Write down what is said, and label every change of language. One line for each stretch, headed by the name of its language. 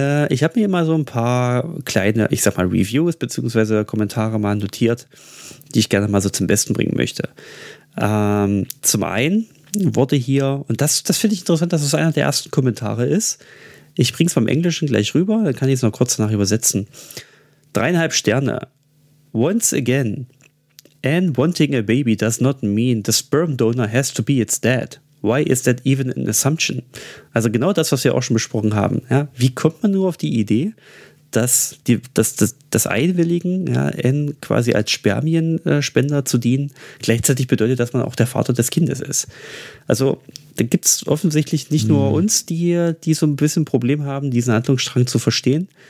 German: Ich habe mir mal so ein paar kleine, ich sag mal, Reviews bzw. Kommentare mal notiert, die ich gerne mal so zum Besten bringen möchte. Zum einen wurde hier, und das finde ich interessant, dass es einer der ersten Kommentare ist. Ich bringe es beim Englischen gleich rüber, dann kann ich es noch kurz danach übersetzen. 3,5 Sterne.
English: Once again, Anne wanting a baby does not mean the sperm donor has to be its dad. Why is that even an assumption?
German: Also genau das, was wir auch schon besprochen haben. Ja, wie kommt man nur auf die Idee, dass das Einwilligen, ja, Anne quasi als Spermienspender zu dienen, gleichzeitig bedeutet, dass man auch der Vater des Kindes ist? Also da gibt es offensichtlich nicht nur uns, die so ein bisschen Problem haben, diesen Handlungsstrang zu verstehen.